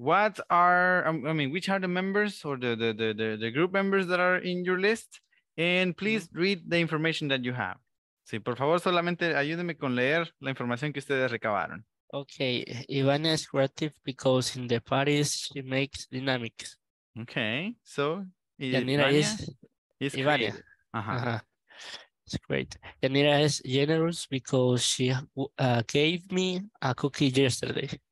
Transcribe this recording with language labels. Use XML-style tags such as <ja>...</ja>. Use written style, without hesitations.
<en>Which are the members or the group members that are in your list? And please read the information that you have.</en> <es>Sí, por favor, solamente ayúdeme con leer la información que ustedes recabaron.</es> <en>Okay, Ivana is creative because in the parties she makes dynamics. Okay, so... Yanira is Ivania. Uh-huh. It's great. Yanira is generous because she gave me a cookie yesterday.</en>